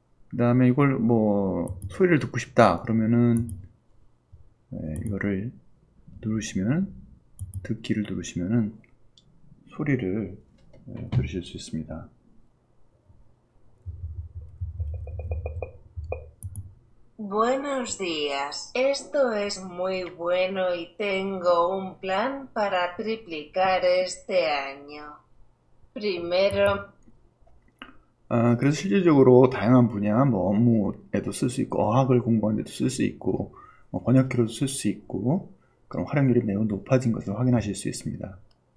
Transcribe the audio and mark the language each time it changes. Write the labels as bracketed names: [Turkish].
[Korean] 그 다음에 이걸 뭐 소리를 듣고 싶다 그러면은 이거를 누르시면 듣기를 누르시면은 소리를 들으실 수 있습니다. [Spanish] Buenos días, esto es muy bueno y tengo un plan para triplicar este año. Primero, [Korean] 그래서 실질적으로 다양한 분야, 뭐 업무에도 쓸수 있고, 어학을 공부하는 데도 쓸수 있고, 번역기로도 쓸수 있고, 그런 활용률이 매우 높아진 것을 확인하실 수 있습니다.